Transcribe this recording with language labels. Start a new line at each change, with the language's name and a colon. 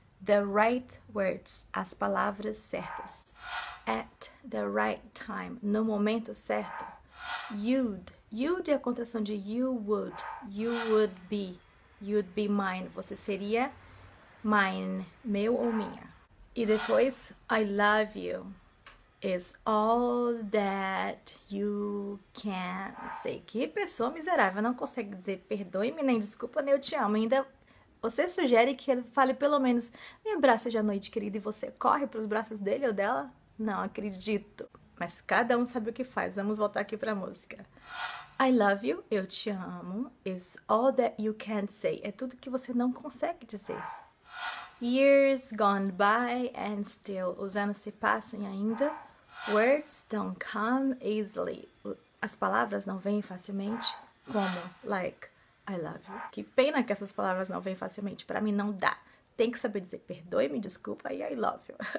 English: The right words,
Portuguese: as palavras certas.
English: At the right time,
Portuguese: no momento certo. You'd é a contração de
English: you would be, you'd be mine,
Portuguese: você seria mine, meu ou minha. E depois,
English: I love you is all that you can say.
Portuguese: Que pessoa miserável, não consegue dizer perdoe-me, nem desculpa, nem eu te amo, ainda. Você sugere que ele fale pelo menos me abraça hoje à noite, querida, e você corre para os braços dele ou dela? Não acredito. Mas cada um sabe o que faz. Vamos voltar aqui para a música.
English: I love you,
Portuguese: eu te amo,
English: is all that you can say.
Portuguese: É tudo que você não consegue dizer.
English: Years gone by and still.
Portuguese: Os anos se passam e ainda.
English: Words don't come easily.
Portuguese: As palavras não vêm facilmente. Como?
English: Like. I love you.
Portuguese: Que pena que essas palavras não vêm facilmente. Para mim não dá. Tem que saber dizer perdoe-me, desculpa e
English: I love you.